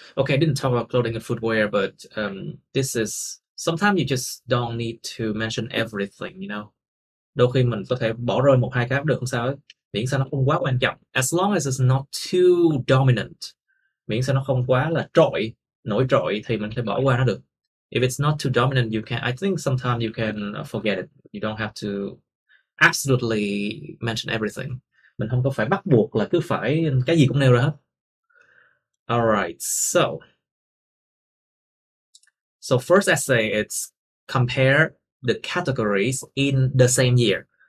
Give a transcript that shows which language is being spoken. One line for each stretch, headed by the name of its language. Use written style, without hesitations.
English: Okay, I didn't talk about clothing and footwear, but this is sometimes you just don't need to mention everything, you know.
Vietnamese: Đôi khi mình có thể bỏ rơi một hai cái cũng được không sao ấy. Miễn sao nó không quá quan trọng.
English: As long as it's not too dominant.
Vietnamese: Miễn sao nó không quá là trội, nổi trội thì mình sẽ bỏ qua nó được.
English: If it's not too dominant, you can. I think sometimes you can forget it. You don't have to absolutely mention everything.
Vietnamese: Mình không có phải bắt buộc là cứ phải cái gì cũng nêu ra hết.
English: All right, so first essay it's compare the categories in the same year.